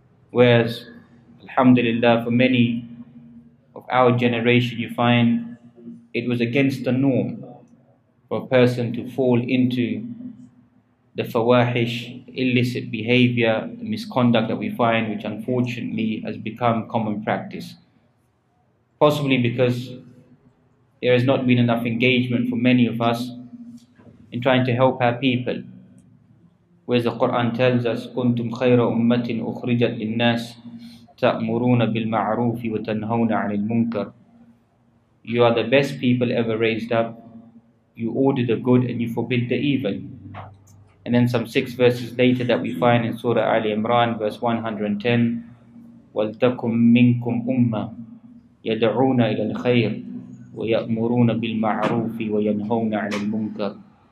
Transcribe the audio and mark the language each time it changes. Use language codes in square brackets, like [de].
[en] Whereas, alhamdulillah, for many of our generation, you find it was against the norm for a person to fall into the fawahish, illicit behavior, the misconduct that we find, which unfortunately has become common practice. Possibly because there has not been enough engagement for many of us in trying to help our people. Whereas the Quran tells us, [ar] كُنْتُمْ خَيْرَ أُمَّةٍ أُخْرِجَتْ لِلنَّاسِ تَأْمُرُونَ بِالْمَعْرُوفِ وَتَنْهَوْنَ عَنِ الْمُنْكَرِ. [en] You are the best people ever raised up. You order the good and you forbid the evil. And then some six verses later that we find in Surah Ali Imran, verse 110, [ar] وَلْتَكُمْ مِنْكُمْ أُمَّةٌ يَدْعُونَ إِلَى الْخَيْرِ وَيَأْمُرُونَ بِالْمَعْرُوفِ وَيَنْهَوْنَ عَنِ الْمُنْكَرِ.